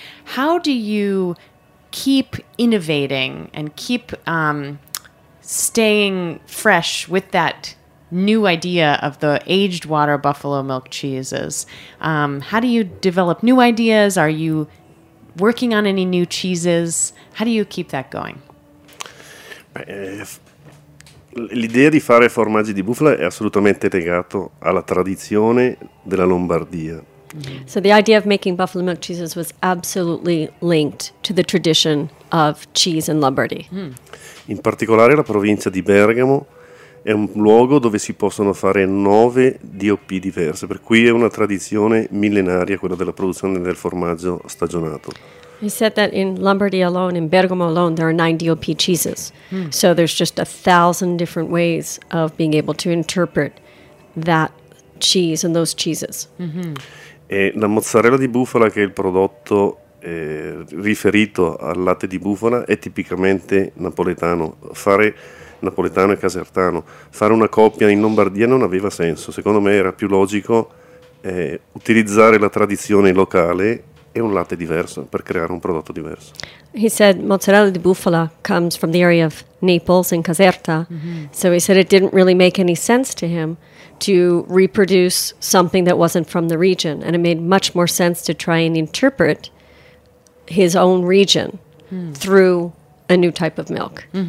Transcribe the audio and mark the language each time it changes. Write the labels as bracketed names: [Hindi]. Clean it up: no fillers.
[English] How do you keep innovating and keep staying fresh with that new idea of the aged water buffalo milk cheeses? How do you develop new ideas? Are you working on any new cheeses? How do you keep that going? [Italian] L'idea di fare formaggi di bufala è assolutamente legato alla tradizione della Lombardia. [English] So the idea of making buffalo milk cheeses was absolutely linked to the tradition of cheese in Lombardy. [Italian] In particolare la provincia di Bergamo è un luogo dove si possono fare 9 DOP diverse, per cui è una tradizione millenaria quella della produzione del formaggio stagionato. [English] He said that in Lombardy alone, in Bergamo alone, there are 9 DOP cheeses. So there's just 1,000 different ways of being able to interpret that cheese and those cheeses. [Italian] E la mozzarella di bufala, che è il prodotto riferito al latte di bufala, è tipicamente napoletano. Fare napoletano e casertano, fare una coppia in Lombardia non aveva senso. Secondo me era più logico utilizzare la tradizione locale e un latte diverso per creare un prodotto diverso. [English] He said mozzarella di bufala comes from the area of Naples in Caserta. So he said it didn't really make any sense to him to reproduce something that wasn't from the region, and it made much more sense to try and interpret his own region through a new type of milk.